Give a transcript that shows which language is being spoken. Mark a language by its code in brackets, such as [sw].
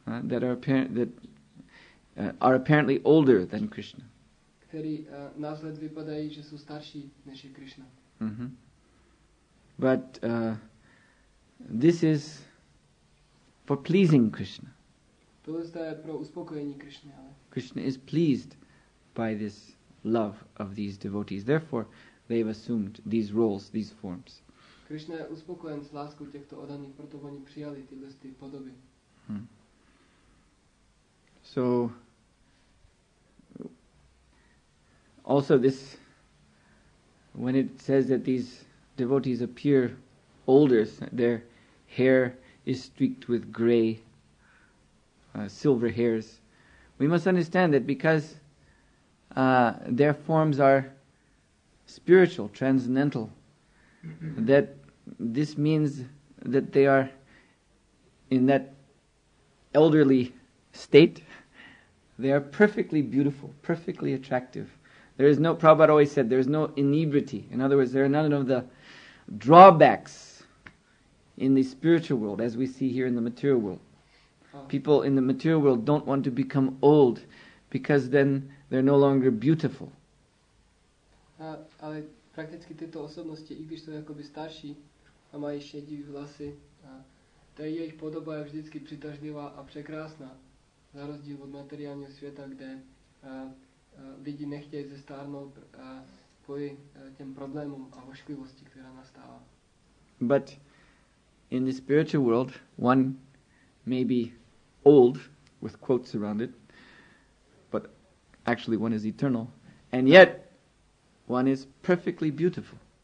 [en] That are apparently older than Krishna. [cs] Který náhled vypadají, že jsou starší než je Krishna. [en] Mm-hmm. But This is for pleasing Krishna. [cs] Tohle je pro uspokojení Krishny, ale... [en] Krishna is pleased by this love of these devotees. Therefore, they have assumed these roles, these forms. [cs] Krishna je uspokojen s láskou těchto odaných, proto oni přijali tyhle ty podoby. [en] So, also this, when it says that these devotees appear older, their hair is streaked with gray, silver hairs, we must understand that because their forms are spiritual, transcendental, that this means that they are in that elderly state, they are perfectly beautiful, perfectly attractive. There is no, Prabhupada always said, there is no inebriety. In other words, there are none of the drawbacks in the spiritual world as we see here in the material world. People in the material world don't want to become old because then they're no longer beautiful. [cs] Ale prakticky tyto osobnosti, i když jsou jakoby starší a mají šedivé vlasy, ta jejich podoba je vždycky přitažlivá a překrásná. Za rozdíl od materiálního světa, kde lidi nechtějí zestárnout kvůli těm problémům a ošklivosti, která nastává. [en] But in the spiritual world, one may be old, with quotes around it, but actually one is eternal, and yet one is perfectly beautiful.